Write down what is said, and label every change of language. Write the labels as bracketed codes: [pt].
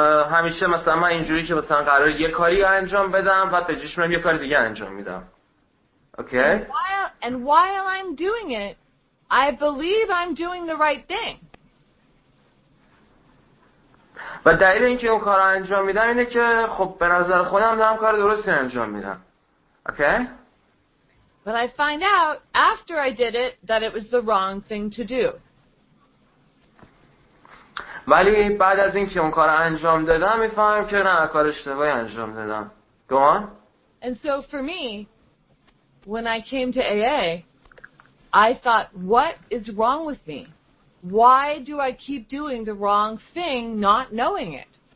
[fa] همیشه مثلا من اینجوری که مثلا قرار یه کاری انجام بدم و به جاش میام یه کار دیگه انجام میدم. [en] Okay? And while I'm doing it, I believe I'm doing the right thing. [fa] و دلیل اینکه اون کارو انجام میدم اینه که خب به نظر خودم دارم کار درستی انجام میدم. [en] Okay? But I find out after I did it that it was the wrong thing to do. [fa] ولی بعد از اینکه اون کارو انجام دادم میفهمم که نه، کار اشتباهی انجام دادم. [en] Go on. And so for me, when I came to AA, I thought, what is wrong with me? Why do I keep doing the wrong thing not knowing it?